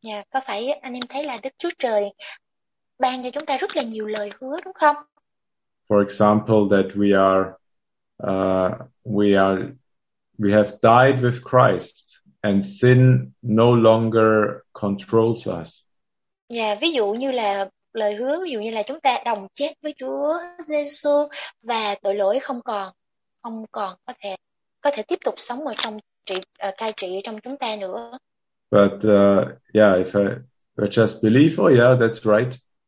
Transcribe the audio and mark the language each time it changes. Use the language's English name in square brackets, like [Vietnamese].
[Vietnamese] Có phải anh em thấy là Đức Chúa Trời ban cho chúng ta rất là nhiều lời hứa đúng không? [English] For example, that we have died with Christ and sin no longer controls us. [Vietnamese] Ví dụ như là lời hứa, ví dụ như là chúng ta đồng chết với Chúa Giêsu và tội lỗi không còn có thể tiếp tục sống ở trong trị cai trị trong chúng ta nữa. [English] If I just believe, oh yeah, that's right.